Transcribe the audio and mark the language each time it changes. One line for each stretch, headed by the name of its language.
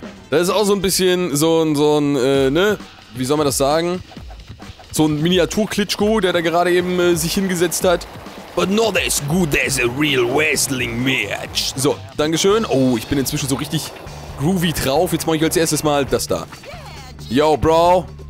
German: Das ist auch so ein bisschen so ein, wie soll man das sagen? So ein Miniatur-Klitschko, der da gerade eben sich hingesetzt hat.
English: But not as good as a real wrestling match.
German: So, dankeschön. Oh, ich bin inzwischen so richtig groovy drauf. Jetzt mache ich als erstes mal das da.
English: Yo, Bro.